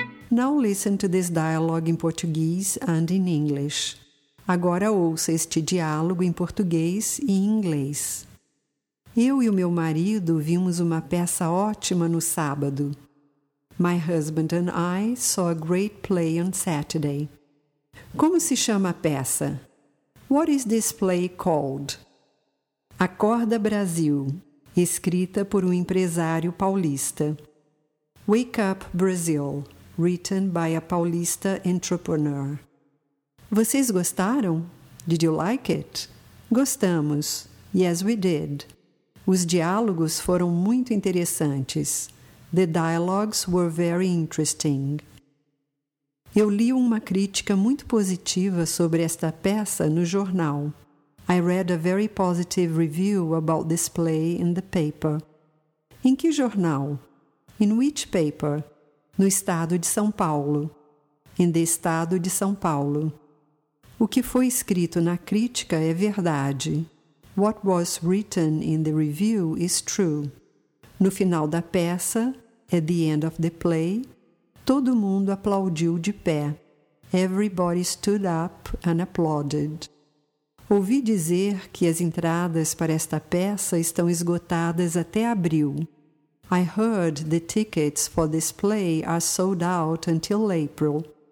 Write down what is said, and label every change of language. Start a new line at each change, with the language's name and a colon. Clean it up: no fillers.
English: Now listen to this dialogue in Portuguese and in English.
Portuguese: Agora ouça este diálogo em português e em inglês. Eu e o meu marido vimos uma peça ótima no sábado.
English: My husband and I saw a great play on Saturday.
Portuguese: Como se chama a peça?
English: What is this play called?
Portuguese: Acorda Brasil, escrita por um empresário paulista.
English: Wake Up Brazil, written by a Paulista entrepreneur.
Portuguese: Vocês gostaram?
English: Did you like it?
Portuguese: Gostamos.
English: Yes, we did.
Portuguese: Os diálogos foram muito interessantes.
English: The dialogues were very interesting.
Portuguese: Eu li uma crítica muito positiva sobre esta peça no jornal.
English: I read a very positive review about this play in the paper.
Portuguese: Em que jornal?
English: In which paper?
Portuguese: No estado de São Paulo.
English: In the estado de São Paulo.
Portuguese: O que foi escrito na crítica é verdade.
English: What was written in the review is true.
Portuguese: No final da peça,
English: at the end of the play,
Portuguese: todo mundo aplaudiu de pé.
English: Everybody stood up and applauded.
Portuguese: Ouvi dizer que as entradas para esta peça estão esgotadas até abril.
English: I heard the tickets for this play are sold out until April.